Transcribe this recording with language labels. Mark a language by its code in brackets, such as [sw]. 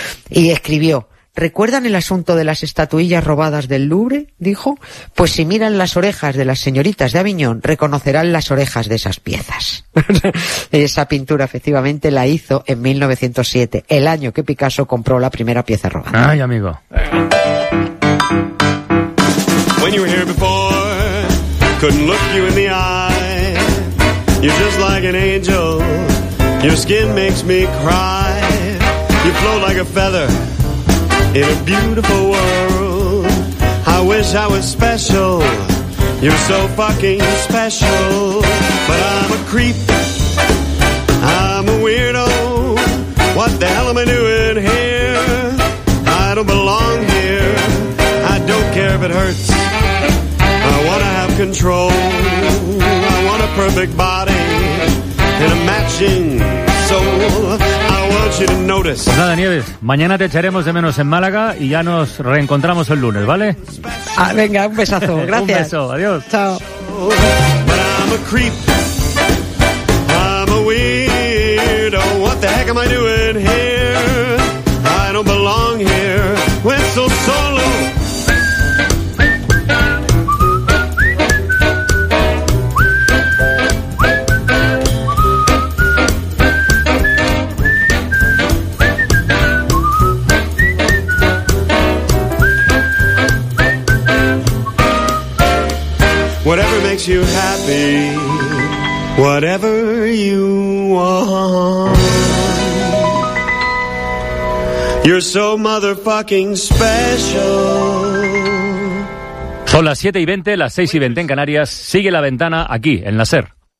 [es] Y escribió, ¿recuerdan el asunto de las estatuillas robadas del Louvre?, dijo. Pues si miran las orejas de las señoritas de Aviñón, reconocerán las orejas de esas piezas. Esa pintura efectivamente la hizo en 1907, el año que Picasso compró la primera pieza robada. Ay, amigo. [en] When you were here before, couldn't look you in the eye. You're just like an angel. Your skin makes me cry. You float like a feather. In a beautiful world, I wish I was special. You're so fucking special. But I'm a creep, I'm a weirdo. What the hell am I doing here? I don't belong here. I don't care if it hurts. I wanna have control. I want a perfect body and a matching soul. [es] Pues nada, Nieves, mañana te echaremos de menos en Málaga y ya nos reencontramos el lunes, ¿vale? Ah, venga, un besazo, gracias. Un beso, adiós. Chao. [en] But I'm a creep, I'm a weirdo. What the heck am I doing here? I don't belong here. Whistle solo. Whatever makes you happy, whatever you want, you're so motherfucking special. [es] Son las 7:20, las 6:20 en Canarias. Sigue La Ventana aquí, en la SER.